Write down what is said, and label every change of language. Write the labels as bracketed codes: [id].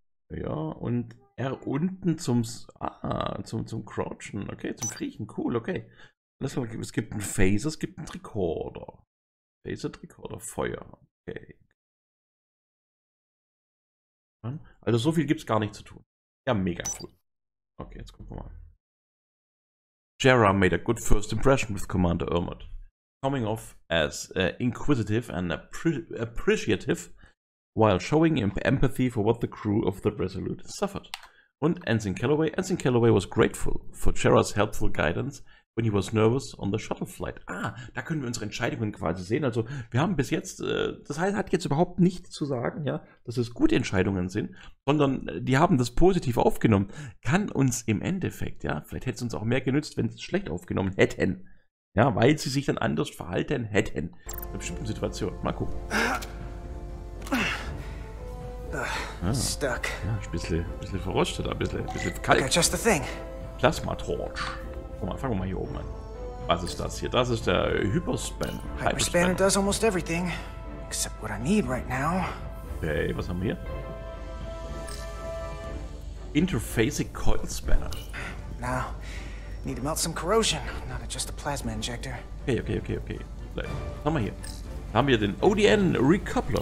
[de] Ja, und R unten zum Crouchen. Okay, zum Kriechen. Cool, okay. Lass mal, es gibt einen Phaser, es gibt einen Tricorder. Phaser, Tricorder, Feuer. Okay. Also so viel gibt's gar nicht zu tun. Ja, mega cool. Okay, jetzt gucken wir mal. [en] Jera made a good first impression with Commander Ermut. Coming off as inquisitive and appreciative while showing empathy for what the crew of the Resolute suffered. Und Ensign Calloway was grateful for Jera's helpful guidance when he was nervous on the shuttle flight. [de] Ah, da können wir unsere Entscheidungen quasi sehen. Also wir haben bis jetzt, das heißt, hat jetzt überhaupt nichts zu sagen, ja, dass es gute Entscheidungen sind, sondern die haben das positiv aufgenommen. Kann uns im Endeffekt, ja, vielleicht hätte es uns auch mehr genützt, wenn sie es schlecht aufgenommen hätten. Ja, weil sie sich dann anders verhalten hätten. In einer bestimmten Situation. Mal gucken. [en] Stuck. [de] Ja, ein bisschen verrutscht da, ein bisschen kalt. [en] Okay, just the thing. [de] Plasma Torch. Fangen wir mal hier oben an. Was ist das hier? Das ist der Hyperspan. [en] Hyperspan does almost everything, except what I need right now. [de] Okay, was haben wir hier? [en] Interfacing Coil Spanner. Now, need to melt some corrosion, not just a plasma injector. [de] Okay. Was haben wir hier? Da haben wir den ODN Recoupler.